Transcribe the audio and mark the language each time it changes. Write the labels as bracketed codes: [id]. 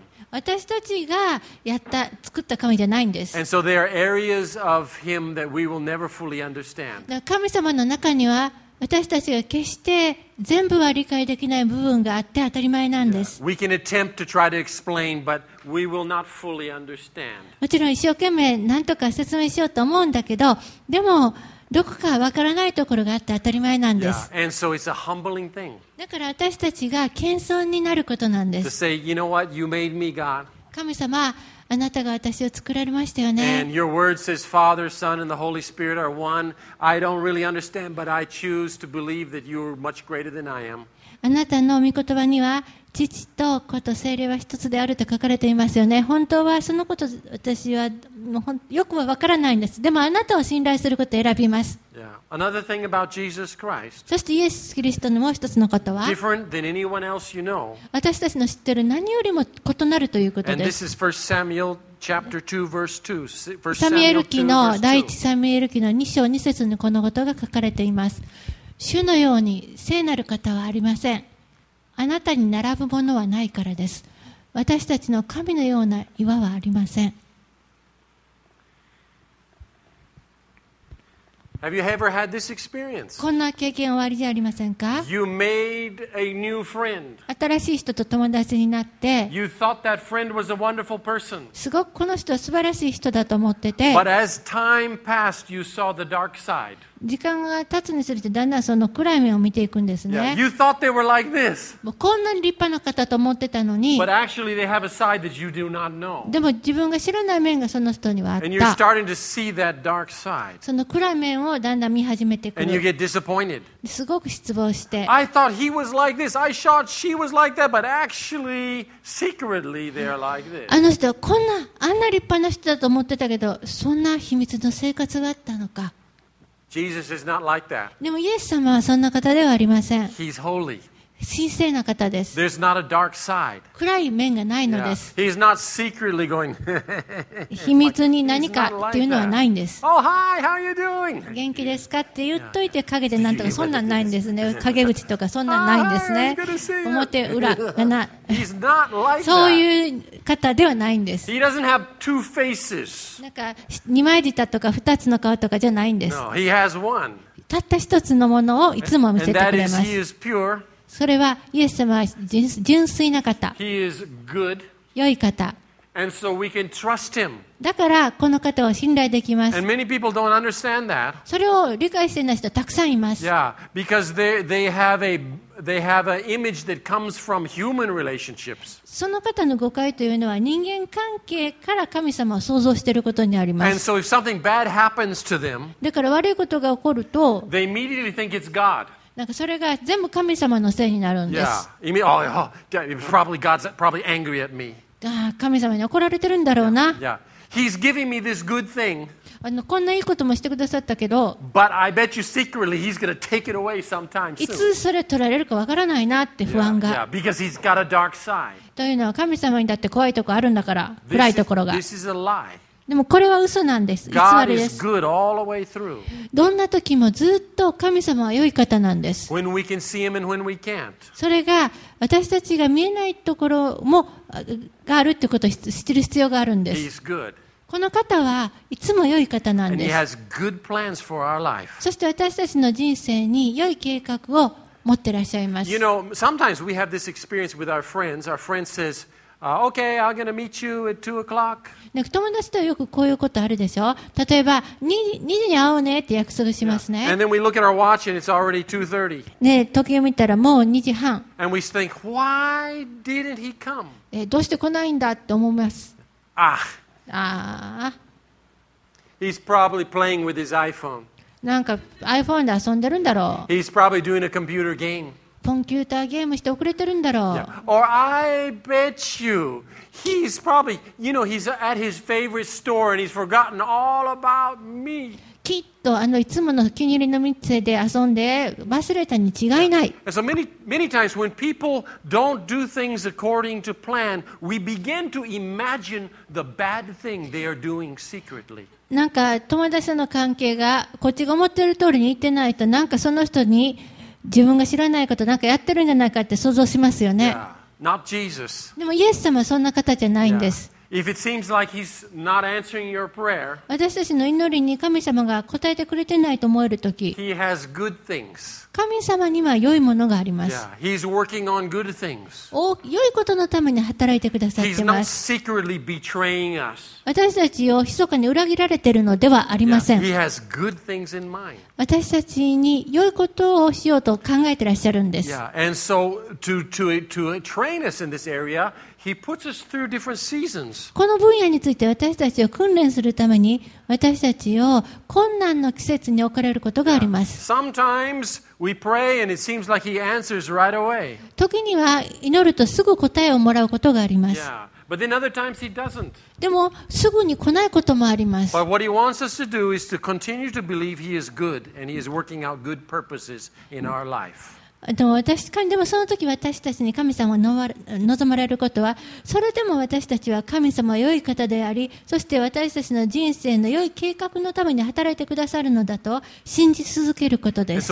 [ja] 私たちがやった作った神じゃないんです。 [en] So there are areas of him that we will never fully understand. [ja] 神様の中には私たちが決して全部は理解できない部分があって当たり前なんです。 [en] We can attempt to try to explain, but we will not fully understand. [ja] もちろん一生懸命何とか説明しようと思うんだけど、でもどこかわからないところがあって当たり前なんです。 [en] Yeah. And so it's a humbling thing. [ja] だから私たちが謙遜になることなんです。 [en] To say, you know what, you made me, God. [ja] 神様、あなたが私を作られましたよね。 [en] And your word says Father, Son, and the Holy Spirit are one. I don't really understand, but I choose to believe that you're much greater than I am. [ja] あなたの御言葉には父と子と聖霊は一つであると書かれていますよね。本当はそのこと私はよくは分からないんです。でもあなたを信頼することを選びます。 [en] Yeah. Another thing about Jesus Christ. [ja] そしてイエス・キリストのもう一つのことは、 [en] Different than anyone else you know. [ja] 私たちの知っている何よりも異なるということです。 [en] And this is First Samuel chapter 2 verse 2. [ja] サミエル記の第一サミエル記の2章2節にこのことが書かれています。主のように聖なる方はありません。あなたに並ぶものはないからです。私たちの神のような岩はありません。 [en] Have you ever had this experience? [ja] こんな経験はありじゃありませんか? [en] You made a new friend. [ja] 新しい人と友達になって、 [en] You thought that friend was a wonderful person. [ja] すごくこの人は素晴らしい人だと思ってて、 [en] But as time passed, you saw the dark side. [ja] 時間が経つにつれてだんだんその暗い面を見ていくんですね。 [en] Yeah, you thought they were like this. [ja] もうこんなに立派な方と思ってたのに、 [en] But actually they have a side that you do not know. [ja] でも自分が知らない面がその人にはあった。 [en] And you're starting to see that dark side. [ja] その暗い面をだんだん見始めてくる。 [en] And you get disappointed. [ja] すごく失望して。 [en] I thought he was like this. I thought she was like that. But actually, secretly, they're like this. [ja] あの人はこんな、あんな立派な人だと思ってたけど、そんな秘密の生活があったのか。 [en] Jesus is not like that. [ja] でもイエス様はそんな方ではありません。 [en] He's holy. [ja] 神聖な方です。 [en] There's not a dark side. [ja] 暗い面がないのです。 [en] Yeah. He's not secretly going. [ja] 秘密に何かっていうのはないんです。 [en] Oh, hi, how you doing? [ja] 元気ですかって言っといて陰でなんとかそんなんないんですね。陰口とかそんなんないんですね。表裏がな。 [en] He's not like that. [ja] そういう方ではないんです。 [en] He doesn't have two faces. [ja] なんか二枚舌とか二つの顔とかじゃないんです。 [en] No, he has one. [ja] たった一つのものをいつも見せてくれます。 [en] And that is, he is pure. [ja] それはイエス様は純粋な方、良い方、 [en] And so、we can trust him. [ja] だからこの方を信頼できます。 [en] And many people don't understand that. [ja] それを理解していない人たくさんいます。 [en] Yeah, because they have an image that comes from human relationships. [ja] その方の誤解というのは人間関係から神様を想像していることにあります。 [en] And so if something bad happens to them, [ja] だから悪いことが起こると、 [en] they immediately think it's God. [ja] なんかそれが全部神様のせいになるんです。 [en] Yeah. Oh, oh. Probably God's probably angry at me. [ja] ああ神様に怒られてるんだろうな。 [en] Yeah, yeah. He's giving me this good thing. [ja] あのこんないいこともしてくださったけど、 [en] But I bet you secretly he's gonna take it away sometime soon. [ja] いつそれ取られるかわからないなって不安が。 [en] Yeah, yeah. Because he's got a dark side. [ja] というのは神様にだって怖いところあるんだから、暗いところが。 [en] This is a lie. [ja] でもこれは嘘なんです。偽りです。 [en] God is good all the way through. [ja] どんな時もずっと神様は良い方なんです。 [en] When we can see him and when we can't. [ja] それが私たちが見えないところもがあるってことを知ってる必要があるんです。 [en] He's good. [ja] この方はいつも良い方なんです。 [en] And he has good plans for our life. [ja] そして私たちの人生に良い計画を持ってらっしゃいます。 [en] You know, sometimes we have this experience with our friends. Our friend says,okay, I'm gonna meet you at 2 o'clock. [ja] 友達とはよくこういうことあるでしょ。例えば 2時に会おうねって約束しますね。 [en] Yeah. And then we look at our watch and it's already 2:30. [ja] ね、時計を見たらもう2時半。 [en] And we think, why didn't he come? [ja] どうして来ないんだって思います。 Ah. Ah. [en] He's probably playing with his iPhone. [ja] なんか iPhone で遊んでるんだろう。 [en] He's probably doing a computer game. [ja] コンピューターゲームして遅れてるんだろう。 [en] Yeah. Or I bet you he's probably, you know, he's at his favorite store and he's forgotten all about me. [ja] きっとあのいつもの気に入りの店で遊んで忘れたに違いない。 [en] Yeah. So many, many times when people don't do things according to plan, we begin to imagine the bad thing they are doing secretly. [ja] なんか友達の関係がこっちが思ってる通りにいってないと、なんかその人に自分が知らないことなんかやってるんじゃないかって想像しますよね。 [en] Yeah, not Jesus. [ja] でもイエス様はそんな方じゃないんです。 [en] Yeah. If it seems like he's not answering your prayer, [ja] 私たちの祈りに神様が答えてくれてないと思えるとき、 [en] he has good things. [ja] 神様には良いものがあります。 [en] Yeah, he's working on good things. [ja] 良いことのために働いてくださってます。 [en] He's not secretly betraying us. [ja] 私たちを密かに裏切られているのではありません。 [en] Yeah, he has good things in mind. [ja] 私たちに良いことをしようと考えてらっしゃるんです。 [en] Yeah. And so to train us in this area, he puts us through different seasons. [ja] この分野について私たちを訓練するために私たちを困難の季節に置かれることがあります。 [en] Yeah. Sometimes we pray and it seems like he answers right away. [ja] 時には祈るとすぐ答えをもらうことがあります。 [en] Yeah. But then other times he doesn't. [ja] でもすぐに来ないこともあります。 [en] But what he wants us to do is to continue to believe he is good and he is working out good purposes in our life. [ja] でもその時私たちに神様を望まれることは、それでも私たちは神様は良い方であり、そして私たちの人生の良い計画のために働いてくださるのだと信じ続けることです。